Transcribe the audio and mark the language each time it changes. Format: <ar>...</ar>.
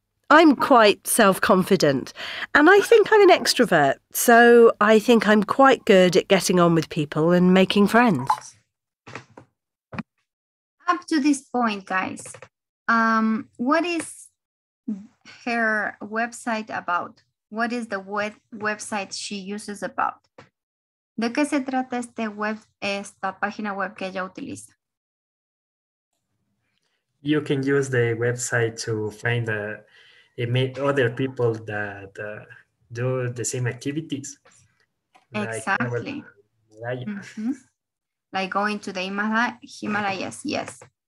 <en>I'm quite self-confident, and I think I'm an extrovert, so I think I'm quite good at getting on with people and making friends. Up to this point, guys, what is her website about? What is the website she uses about?</en> <es>¿De qué se trata este web, esta página web que ella utiliza?</es> <en>You can use the website to find meet other people that do the same activities. Exactly. Like going to the Himalayas, yes.</en>